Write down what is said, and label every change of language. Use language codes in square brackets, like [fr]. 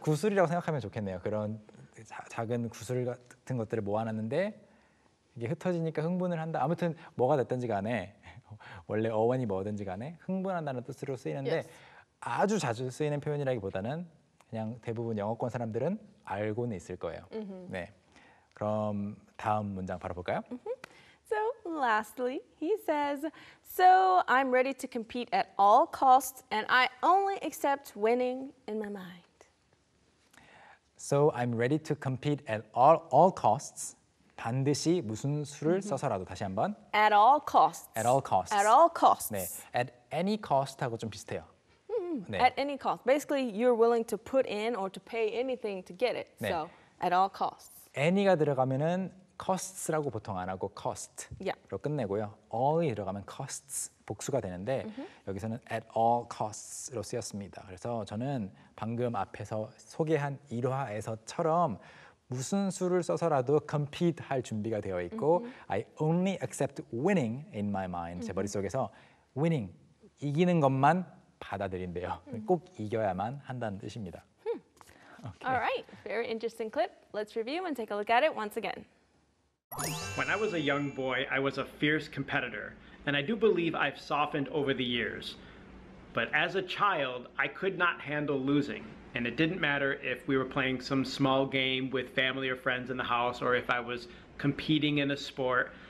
[ko] 구슬이라고 생각하면 좋겠네요. 그런 작은 구슬 같은 것들을 모아놨는데 이게 흩어지니까 흥분을 한다. 아무튼 뭐가 됐든지 간에 원래 어원이 뭐든지 간에 흥분한다는 뜻으로 쓰이는데 [en] yes. [ko] 아주 자주 쓰이는 표현이라기보다는 그냥 대부분 영어권 사람들은 알고는 있을 거예요. Mm-hmm. 네. 그럼 다음 문장 바로 볼까요? Mm-hmm. [en] So lastly, he says, So I'm ready to compete at all costs and I only accept winning in my mind. So I'm ready to compete at all costs. [ko] 반드시 무슨 수를 mm-hmm. 써서라도 다시 한번. [en] At all costs. At all costs. At all costs. 네, at any cost [ko] 하고 좀 비슷해요. [en] Mm-hmm. 네. At any cost. Basically, you're willing to put in or to pay anything to get it. 네. So at all costs. [ko] Any가 들어가면은 costs라고 보통 안 하고 cost로 [en] yeah. [ko] 끝내고요. All이 들어가면 costs 복수가 되는데 mm-hmm. 여기서는 at all costs로 쓰였습니다. 그래서 저는 방금 앞에서 소개한 일화에서처럼 무슨 수를 써서라도 compete 할 준비가 되어 있고 mm-hmm. [en] I only accept winning in my mind. [ko] Mm-hmm. 제 머릿속에서 winning, 이기는 것만 받아들인대요. Mm-hmm. 꼭 이겨야만 한다는 뜻입니다. [en] Okay. All right, very interesting clip. Let's review and take a look at it once again. When I was a young boy, I was a fierce competitor, and I do believe I've softened over the years. But as a child, I could not handle losing, and it didn't matter if we were playing some small game with family or friends in the house, or if I was competing in a sport.